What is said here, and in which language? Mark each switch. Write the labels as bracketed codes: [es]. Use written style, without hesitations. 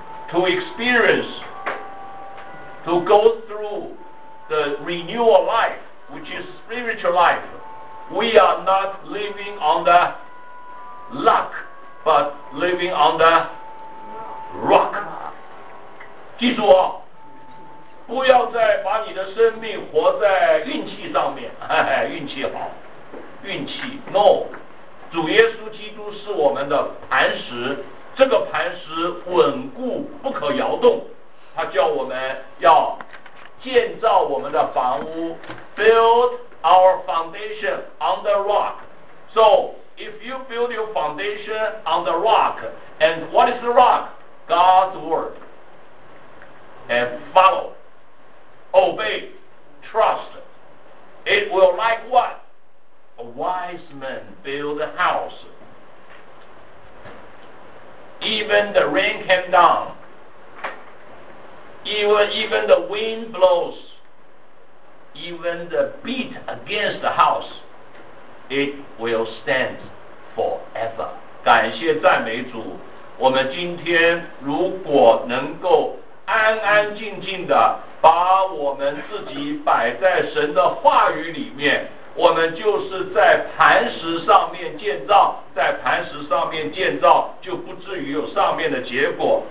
[en] To experience, to go through the renewal life, which is spiritual life, we are not living on the luck, but living on the rock. [zh] 记住哦，不要再把你的生命活在运气上面，运气好。运气 ， [en] no， [zh] 主耶稣基督是我们的磐石，这个磐石稳固不可摇动，他叫我们要建造我们的房屋 ， [en] build our foundation on the rock。 So if you build your foundation on the rock， and what is the rock？ God's word， and follow， obey， trust， it will like what？ A wise man build a house. Even the rain came down. even the wind blows, even the beat against the house, it will stand forever. [zh] 感谢赞美主，我们今天如果能够安安静静的把我们自己摆在神的话语里面，我们就是在磐石上面建造，在磐石上面建造，就不至于有上面的结果。